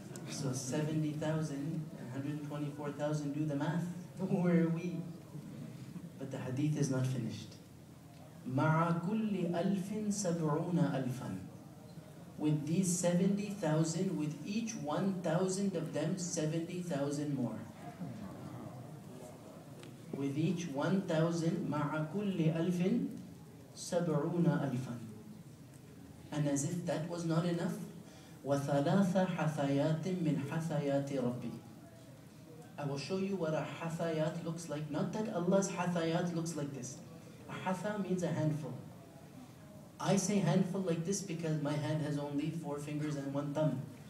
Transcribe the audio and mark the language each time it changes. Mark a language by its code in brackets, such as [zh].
[en] So 70,000, 124,000, do the math. Where are we? But the hadith is not finished. [ar] مَعَ كُلِّ أَلْفٍ سَبْعُونَ أَلْفًا. [en] With these 70,000, with each 1,000 of them, 70,000 more. With each 1,000, [ar] مَعَ كُلِّ أَلْفٍ سَبْعُونَ أَلْفًا. [en] And as if that was not enough, [ar] وَثَلَاثَ حَثَيَاتٍ مِّنْ حَثَيَاتِ رَبِّي. [en] I will show you what a hathayat looks like. Not that Allah's hathayat looks like this. A hatha means a handful. I say handful like this because my hand has only four fingers and one thumb.